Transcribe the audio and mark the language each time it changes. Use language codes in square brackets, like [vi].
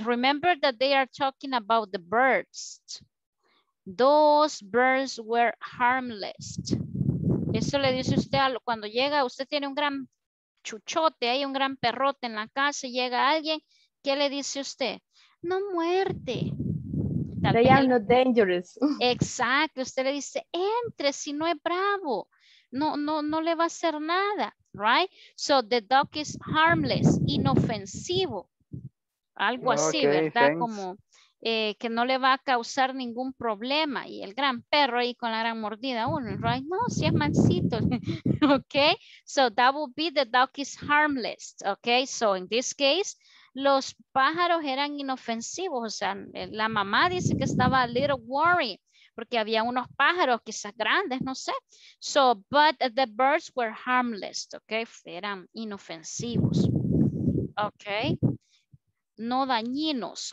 [en] Remember that they are talking about the birds. Those birds were harmless. [es] Eso le dice usted cuando llega, usted tiene un gran chuchote, hay un gran perrote en la casa, llega alguien, ¿qué le dice usted? No muerte. [en] They are not dangerous. [es] Exacto. Usted le dice, entre, si no es bravo. No le va a hacer nada. Right? [en] So the dog is harmless, [es] inofensivo. Algo así, okay, ¿verdad? [en] Thanks. [es] Como que no le va a causar ningún problema. Y el gran perro ahí con la gran mordida, uno, right? No, si es mansito. Okay? [en] So that would be the dog is harmless. [es] Okay? [en] So in this case, [es] los pájaros eran inofensivos, o sea, la mamá dice que estaba [en] a little worried [es] porque había unos pájaros quizás grandes, no sé. [en] So, but the birds were harmless, okay, [es] eran inofensivos, okay, no dañinos.